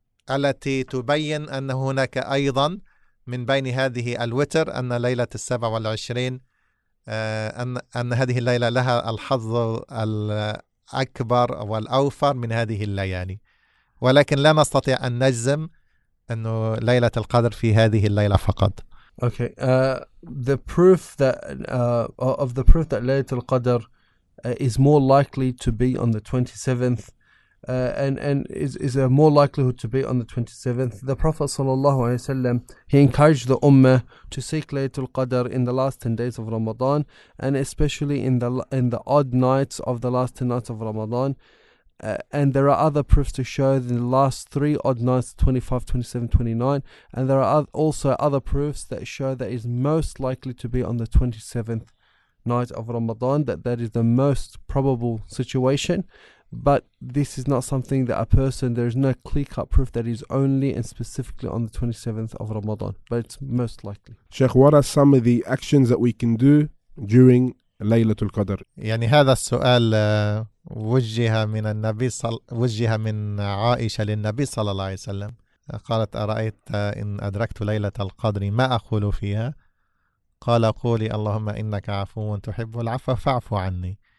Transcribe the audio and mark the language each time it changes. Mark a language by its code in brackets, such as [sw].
[ar] التي تبين أن هناك أيضا من بين هذه الوتر أن ليلة 27 أن هذه الليلة لها الحظ الأكبر والأوفر من هذه الليالي، ولكن لا نستطيع أن نجزم أنه ليلة القدر في هذه الليلة فقط. [en] Okay, the proof that Laylatul Qadr is more likely to be on the 27th, and is a more likelihood to be on the 27th. The Prophet sallallahu alaihi wasallam, he encouraged the Ummah to seek Laylatul Qadr in the last 10 days of Ramadan, and especially in the odd nights of the last 10 nights of Ramadan. And there are other proofs to show that the last three odd nights, 25, 27, 29, and there are also other proofs that show that it's most likely to be on the 27th night of Ramadan, that is the most probable situation. But this is not something that a person, there is no clear-cut proof that is only and specifically on the 27th of Ramadan, but it's most likely. Sheikh, what are some of the actions that we can do during Laylatul Qadr? [ar] يعني هذا السؤال وجه من النبي وجه من عائشة للنبي صلى الله عليه وسلم قالت أرأيت إن أدركت ليلة القدر ما أقول فيها قال قولي اللهم إنك عفو تحب العفو فاعف عني